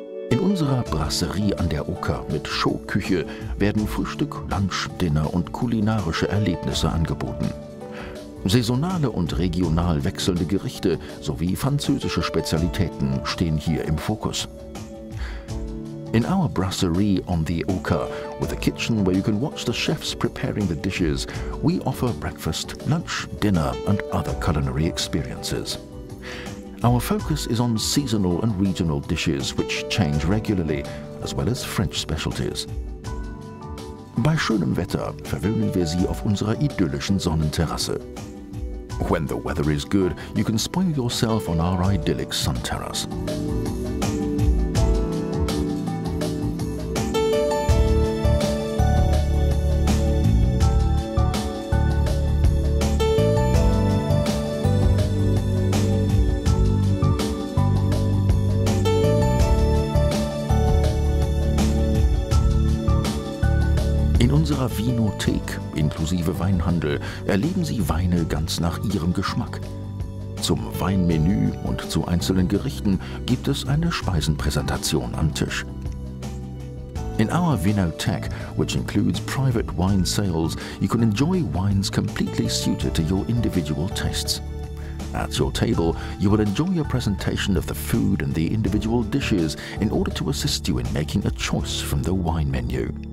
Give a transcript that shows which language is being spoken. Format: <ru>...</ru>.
<de>In unserer Brasserie an der Oker mit Showküche werden Frühstück, Lunch, Dinner und kulinarische Erlebnisse angeboten. Saisonale und regional wechselnde Gerichte sowie französische Spezialitäten stehen hier im Fokus.</de> <en>In our brasserie on the Oker, with a kitchen where you can watch the chefs preparing the dishes, we offer breakfast, lunch, dinner and other culinary experiences. Our focus is on seasonal and regional dishes, which change regularly, as well as French specialties.</en> <de>Bei schönem Wetter verwöhnen wir Sie auf unserer idyllischen Sonnenterrasse.</de> <en>When the weather is good, you can spoil yourself on our idyllic sun terrace.</en> <de>In unserer Vinothek inklusive Weinhandel erleben Sie Weine ganz nach Ihrem Geschmack. Zum Weinmenü und zu einzelnen Gerichten gibt es eine Speisenpräsentation am Tisch.</de> <en>In our Vinothek, which includes private wine sales, you can enjoy wines completely suited to your individual tastes. At your table, you will enjoy a presentation of the food and the individual dishes in order to assist you in making a choice from the wine menu.</en>